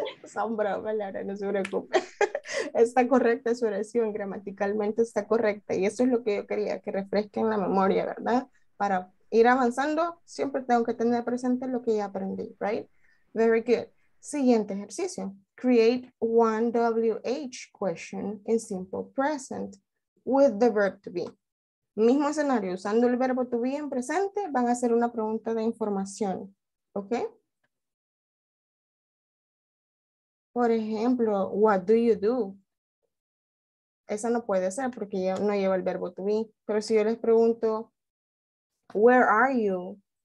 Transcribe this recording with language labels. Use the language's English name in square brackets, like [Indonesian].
[Spanish] Son bromas, Laura, no se preocupe. Está correcta su oración, gramaticalmente está correcta. Y eso es lo que yo quería, que refresquen la memoria, ¿verdad? Para ir avanzando, siempre tengo que tener presente lo que ya aprendí, ¿right? [English] Very good. [Spanish] Siguiente ejercicio. [English] Create one WH question in simple present with the verb to be. [Spanish] Mismo escenario, usando el verbo to be en presente, van a hacer una pregunta de información, ¿ok? Por ejemplo, [English] what do you do? [Spanish] Esa no puede ser porque ya no lleva el verbo to be. Pero si yo les pregunto, [English] where are you?